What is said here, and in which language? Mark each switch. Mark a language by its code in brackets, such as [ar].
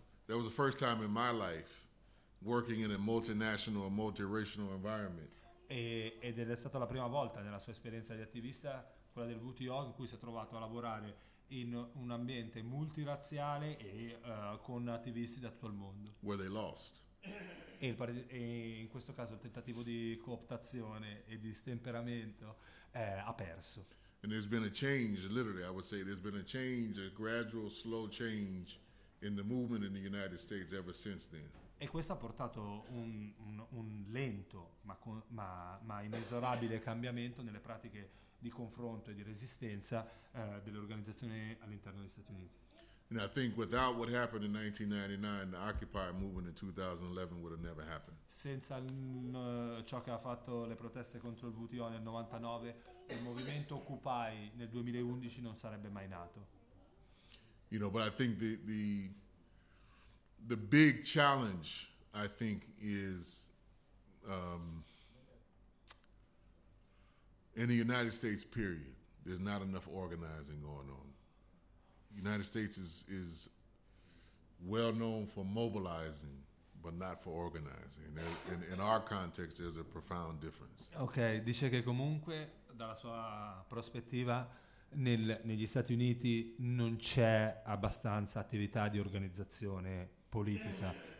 [en] That was the first time in my life working in a multinational, multiracial environment. [it] Ed è stata la prima volta nella sua esperienza di attivista, quella del WTO, in cui si è trovato a lavorare in un ambiente multirazziale e con attivisti da tutto il mondo. [en] Where they lost. [it] E in questo caso il tentativo di cooptazione e di stemperamento ha perso. [en] And there's been a change, literally I would say there's been a change, a gradual slow change in the movement in the United States ever since then. [it] E questo ha portato un lento ma inesorabile cambiamento nelle pratiche di confronto e di resistenza delle organizzazioni all'interno degli Stati Uniti. [en] And I think without what happened in 1999, the Occupy movement in 2011 would have never happened. [it] Senza ciò che ha fatto le proteste contro il WTO nel 99, il movimento Occupy nel 2011 non sarebbe mai nato. [en] You know, but I think the big challenge, I think, is in the United States, period, there's not enough organizing going on. The United States is well known for mobilizing, but not for organizing. In our context, there's a profound difference. [it] Okay, dice che comunque, dalla sua prospettiva, negli Stati Uniti non c'è abbastanza attività di organizzazione politica.